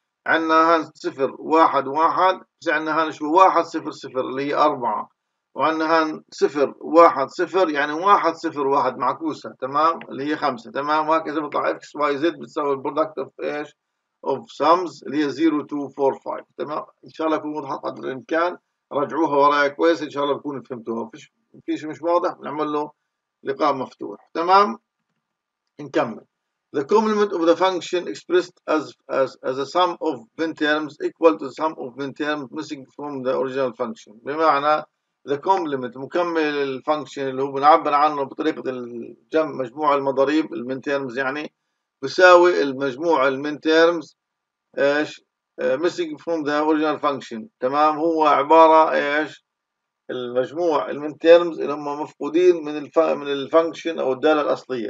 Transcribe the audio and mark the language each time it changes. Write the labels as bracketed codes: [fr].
[ar] عندنا هان 0 1 1 عندنا هان شو 1 0 0 اللي هي 4 وعندنا هان 0 1 0 يعني 1 0 1 معكوسه تمام اللي هي 5 تمام وهكذا بيطلع اكس واي زد بتساوي البرودكت اوف ايش اوف سمز اللي هي 0 2 4 5 تمام ان شاء الله يكون واضح قدر الامكان رجعوها وراي كويس، ان شاء الله بكون فهمتوها. في شيء مش واضح نعمل له لقاء مفتوح. تمام، نكمل. [en] The complement of the function expressed as a sum of min terms equal to the sum of min terms missing from the original function. [ar] بمعنى [en] the complement [ar] مكمل الفانكشن اللي هو بنعبر عنه بطريقة الجمع مجموع المضاريب المين تيرمز يعني بساوي المجموع المين تيرمز ايش [en] missing from the original function. [ar] تمام، هو عبارة ايش المجموع المين تيرمز اللي هم مفقودين من الفانكشن او الدالة الأصلية.